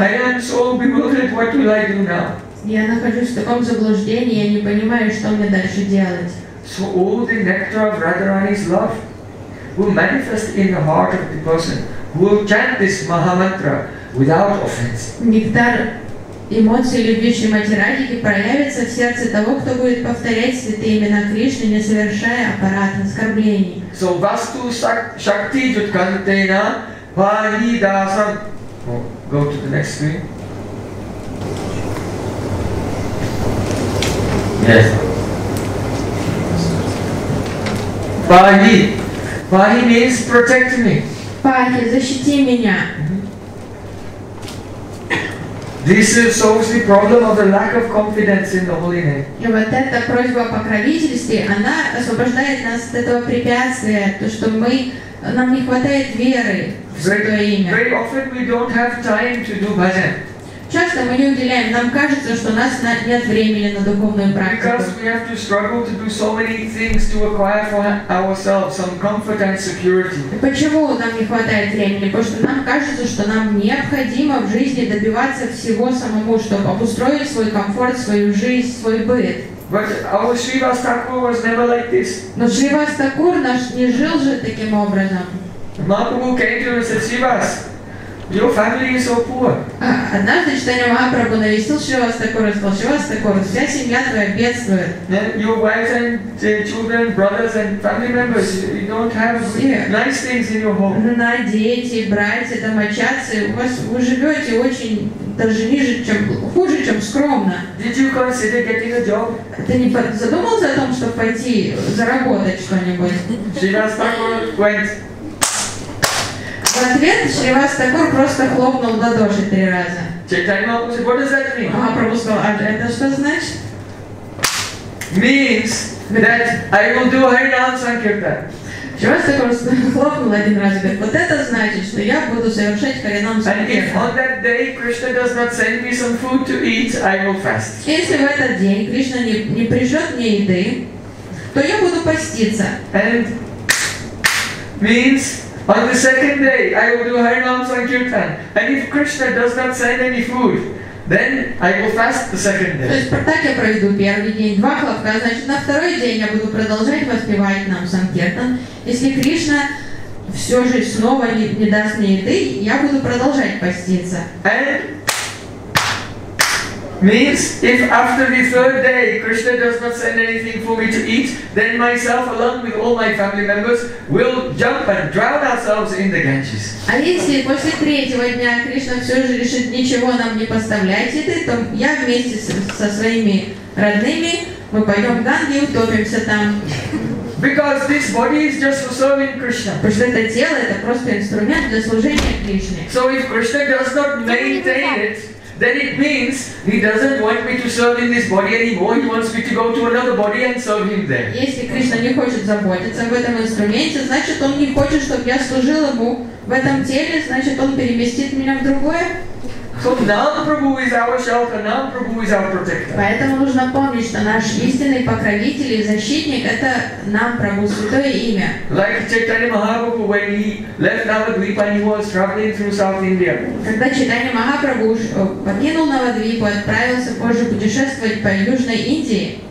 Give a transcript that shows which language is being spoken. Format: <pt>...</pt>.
<en>I am so bewildered, what will I do now?</en> <ru>Я нахожусь в таком заблуждении, я не понимаю, что мне дальше делать.</ru> <en>So all the nectar of Radharani's love will manifest in the heart of the person who will chant this Mahamantra without offense.</en> <ru>Нектар эмоций любви Шримати Радхики проявится в сердце того, кто будет повторять святые имена Кришны, не совершая аппарат оскорблений.</ru> <en>So</en> <sa>vastu shakti jutkantena Vahi Dasam.</sa> <en>Go to the next screen. Yes. Vahi. Vahi means protect me.</en> <ru>Vahi, защити меня.</ru> <en>This solves the problem of the lack of confidence in the Holy Name.</en> <ru>И вот эта просьба о покровительстве, она освобождает нас от этого препятствия, то что мы нам не хватает веры в Святое Имя.</ru> <en>Very often we don't have time to do bhajan.</en> <ru>Часто мы не уделяем, нам кажется, что у нас нет времени на духовную практику.</ru> <en>Because we have to struggle to do so many things to acquire for ourselves some comfort and security.</en> <ru>Почему нам не хватает времени? Потому что нам кажется, что нам необходимо в жизни добиваться всего самому, чтобы обустроить свой комфорт, свою жизнь, свой быт.</ru> <en>But our Srivas Thakur was never like this.</en> <ru>Но Шривас Такур наш не жил же таким образом.</ru> <en>Mahaprabhu came to us and said, Srivas, your family is so poor.</en> <ru>Однажды Чайтанья Махапрабху навестил Шривас Такура и сказал, Шривас Такура, вся семья твоя бедствует.</ru> <en>Your wives and children, brothers and family members, you don't have nice things in your home.</en> <ru>На дети, братья, домочадцы, у вас вы живете очень даже ниже, чем хуже, чем скромно.</ru> <en>Did you consider getting a job?</en> <ru>Ты не задумался о том, чтобы пойти заработать что-нибудь?</ru> <en>Шривас Такура went.</en> <ru>В ответ Шривас Такур просто хлопнул в ладоши три раза. Махапрабху сказал, а это что значит?</ru> <en>Means that I will do Haridam Sankirtan.</en> <ru>Шривас Такур хлопнул один раз и говорит, вот это значит, что я буду совершать Харинам Санкиртан.</ru> <en>And if on that day Krishna does not send me some food to eat, I will fast.</en> <ru>Если в этот день Кришна не пришлет мне еды, то я буду поститься.</ru> <en>And means on the second day, I will do Harinam Sankirtan. And if Krishna does not send any food, then I will fast the second day.</en> <ru>То есть так я проведу первый день, два хлопка, значит на второй день я буду продолжать воспевать нам Санкиртан. Если Кришна все же снова не даст мне еды, я буду продолжать поститься.</ru> <en>And means if after the third day Krishna does not send anything for me to eat, then myself along with all my family members will jump and drown ourselves in the Ganges.</en> <ru>А если после третьего дня Кришна все же решит ничего нам не поставлять еды, то я вместе со своими родными мы пойдем в Ганги и утопимся там.</ru> <en>Because this body is just for serving Krishna.</en> <ru>Потому что это тело это просто инструмент для служения Кришне.</ru> <en>So if Krishna does not maintain it, then it means he doesn't want me to serve in this body anymore. He wants me to go to another body and serve him there.</en> <ru>Если Кришна не хочет заботиться об этом инструменте, значит он не хочет, чтобы я служил ему в этом теле. Значит он переместит меня в другое.</ru> <en>So now Prabhu is our shelter. Now Prabhu is our protector.</en> <ru>Поэтому нужно помнить, что наш истинный покровитель и защитник это нам Прабху Святое Имя.</ru> <en>Like Chaitanya Mahaprabhu when he left Navadvipa and he was traveling through South India.</en> <ru>Когда Чайтанья Махапрабху покинул Навадвипу и отправился позже путешествовать по Южной Индии.</ru>